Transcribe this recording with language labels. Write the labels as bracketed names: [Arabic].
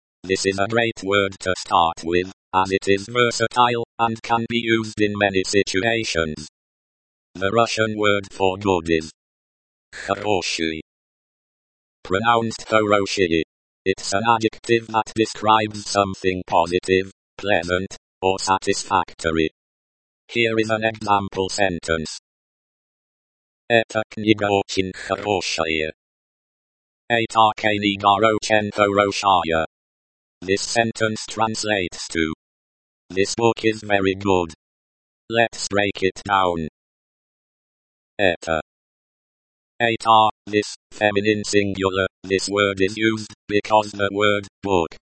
[English] This is a great word to start with, as it is versatile and can be used in many situations. The Russian word for good is хороший. Pronounced хороший. It's an adjective that describes something positive, pleasant, or satisfactory. Here is an example sentence. [Russian] Эта книга очень хорошая. Эта книга очень хорошая. [English] This sentence translates to: this book is very good. Let's break it down. Эта. Эта, this, feminine singular, this word is used because the word, book.